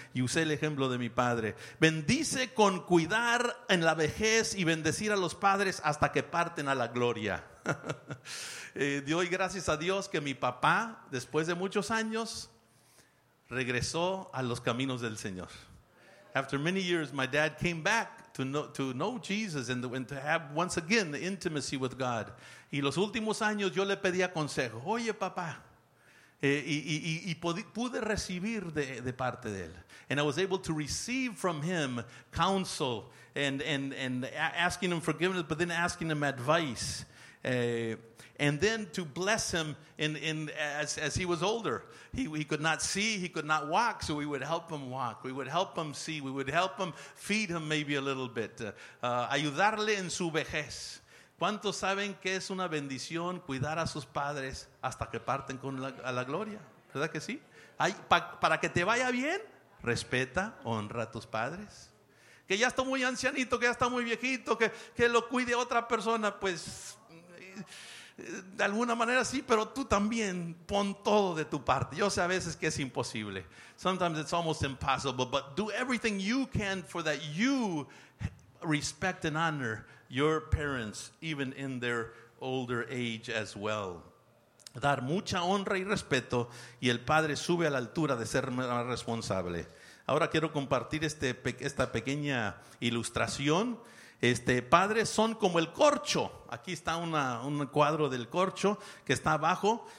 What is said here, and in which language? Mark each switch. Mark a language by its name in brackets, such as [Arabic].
[Spanish] Y usé el ejemplo de mi padre. Bendice con cuidar en la vejez y bendecir a los padres hasta que parten a la gloria. Doy gracias a Dios que mi papá, después de muchos años, regresó a los caminos del Señor. [English] After many years, my dad came back to know Jesus and to have once again the intimacy with God. [Spanish] Y los últimos años yo le pedía consejo. Oye, papá. Y pude recibir de parte de él. [English] And I was able to receive from him counsel and asking him forgiveness, but then asking him advice. And then to bless him as he was older. He could not see, he could not walk, so we would help him walk. We would help him see, we would help him feed him maybe a little bit. [Spanish] Ayudarle en su vejez. ¿Cuántos saben que es una bendición cuidar a sus padres hasta que parten con a la gloria? ¿Verdad que sí? Para que te vaya bien, respeta, honra a tus padres. Que ya está muy ancianito, que ya está muy viejito, que lo cuide otra persona, pues... De alguna manera sí, pero tú también pon todo de tu parte. Yo sé a veces que es imposible. [English] Sometimes it's almost impossible, but do everything you can for that. You respect and honor your parents, even in their older age as well. [Spanish] Dar mucha honra y respeto, y el padre sube a la altura de ser más responsable. Ahora quiero compartir esta pequeña ilustración. Padres son como el corcho. Aquí está un cuadro del corcho que está abajo.